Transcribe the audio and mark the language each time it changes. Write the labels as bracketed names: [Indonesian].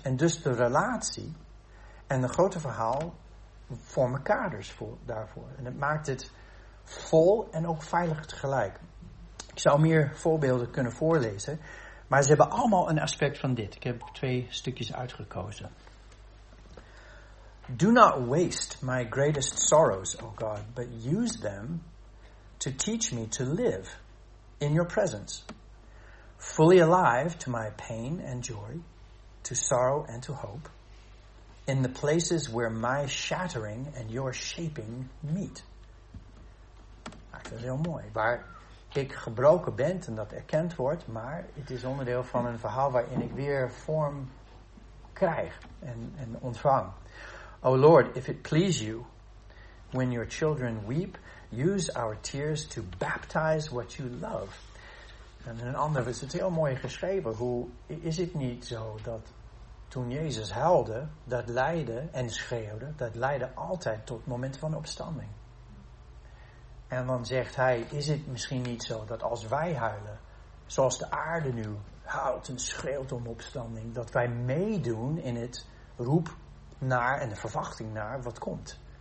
[Dutch] En dus de relatie en de grote verhaal vormen kaders daarvoor. En het maakt het vol en ook veilig tegelijk. Ik zou meer voorbeelden kunnen voorlezen. Maar ze hebben allemaal een aspect van dit. Ik heb twee stukjes uitgekozen. [English] Do not waste my greatest sorrows, O God, but use them to teach me to live in your presence, fully alive to my pain and joy, to sorrow and to hope, in the places where my shattering and your shaping meet. [Dutch] Dat is heel mooi. Waar ik gebroken ben en dat erkend wordt, maar het is onderdeel van een verhaal waarin ik weer vorm krijg en ontvang. [English] O Lord, if it please you, when your children weep, use our tears to baptize what you love. [Dutch] En in een ander is het heel mooi geschreven. Hoe is het niet zo dat toen Jezus huilde, dat lijden en schreeuwde, dat lijden altijd tot momenten van opstanding. En dan zegt hij, is het misschien niet zo dat als wij huilen, zoals de aarde nu huilt en schreeuwt om opstanding, dat wij meedoen in het roep naar en de verwachting naar wat komt.